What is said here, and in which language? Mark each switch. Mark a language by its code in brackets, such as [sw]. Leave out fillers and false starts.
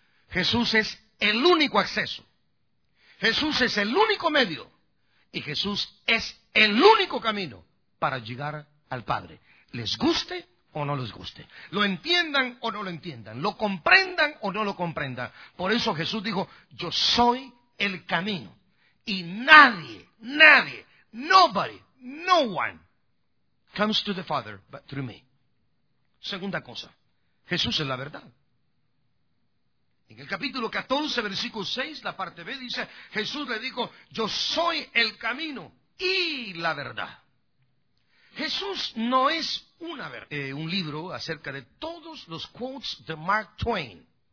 [es] Jesús es el único acceso. Jesús es el único medio. Y Jesús es el único camino para llegar al Padre. Les guste o no les guste. Lo entiendan o no lo entiendan. Lo comprendan o no lo comprendan. Por eso Jesús dijo, yo soy el camino. Y nadie, [en] nobody, no one, comes to the Father but through me. [es] Segunda cosa, Jesús es la verdad. En el capítulo 14, versículo 6, la parte B dice, Jesús le dijo, yo soy el camino y la verdad. Jesús no es una un libro acerca de todos los quotes de Mark Twain.